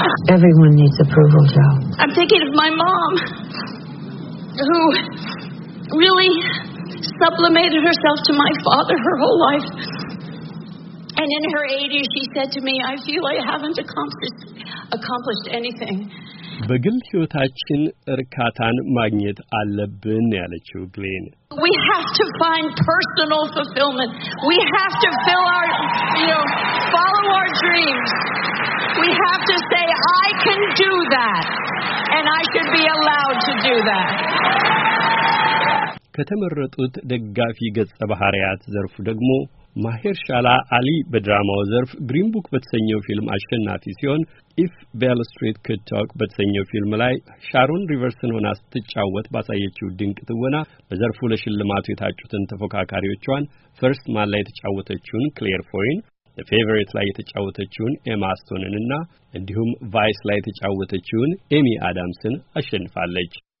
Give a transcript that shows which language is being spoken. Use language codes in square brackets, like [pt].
[en] Everyone needs approval, Joe. I'm thinking of my mom who really sublimated herself to my father her whole life. And in her 80s, she said to me, I feel I haven't accomplished anything. [am] በግል ህይወታችን እርካታን ማግኘት አለብን ያለችው ግሌን [en] We have to find personal fulfillment. We have to fill our, you know, follow our dreams. We have to say, I can do that. And I should be allowed to do that. [am] ከተመረጡት ደጋፊ ገጸ ባህሪያት ዘርፉ ደግሞ ማሄር ሻላ አሊ በድራማው ዘርፍ ግሪን ቡክ በተሰኘው ፊልም አሸናፊ ሲሆን ኢፍ ቤል ስትሪት ኩድ ቶክ በተሰኘው ፊልም ላይ ሻሩን ሪቨርስን ሆና ስትጫወት ባሳየችው ድንቅ ትወና በዘርፉ ለሽልማቱ የታጩትን ተፎካካሪዎቿን ፈርስት ማን ላይ የተጫወተችውን ክሌር ፎይን፣ ፌቨሪት ላይ የተጫወተችውን ኤማ ስቶንን እና እንዲሁም ቫይስ ላይ የተጫወተችውን ኤሚ አዳምስን አሸንፋለች።